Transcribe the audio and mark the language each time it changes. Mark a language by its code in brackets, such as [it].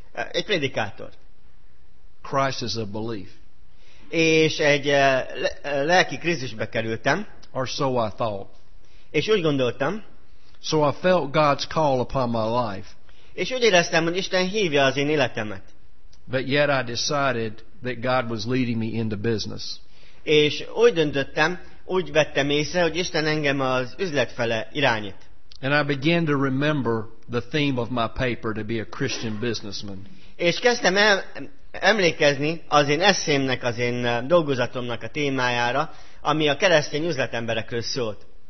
[hu] Egy prédikátor. [en] Crisis of belief. [hu] És egy lelki krízisbe kerültem. [en] Or so I thought. [hu] És úgy gondoltam. [en] So I felt God's call upon my life. [hu] És úgy éreztem, hogy Isten hívja az én életemet. [en] But yet I decided that God was leading me into business. [hu] És úgy döntöttem, úgy vettem észre, hogy Isten engem az üzlet fele irányít. [en] And I began to remember the theme of my paper to be a Christian businessman. [hu] És kezdtem emlékezni az én eszémnek, az én dolgozatomnak a témájára, ami a keresztény üzletemberekről szólt.